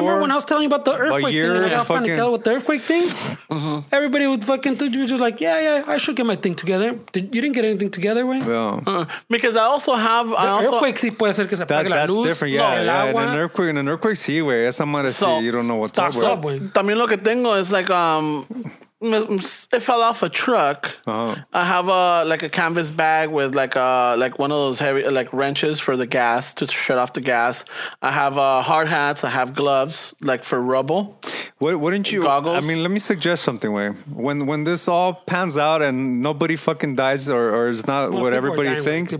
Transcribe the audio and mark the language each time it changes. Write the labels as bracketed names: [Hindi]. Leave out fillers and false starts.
[English] Remember when I was telling you about the earthquake thing? I fucking dealt with the earthquake thing. Mm-hmm. Everybody would fucking do just like yeah. I should get my thing together. You didn't get anything together, Wayne? Yeah. Because I also have [Spanish] earthquake. Sí puede ser que se apague. [English] That's different, yeah. In an earthquake, [Spanish] sí, güey. Esa madre, sí, [English] you don't know what's up, [Spanish] güey. También lo que tengo es [English] like, it fell off a truck. Uh-huh. I have a canvas bag with like one of those heavy, like wrenches for the gas to shut off the gas. I have hard hats. I have gloves, like for rubble. Goggles. I mean, let me suggest something, way. When this all pans out and nobody fucking dies or is not well, what everybody thinks.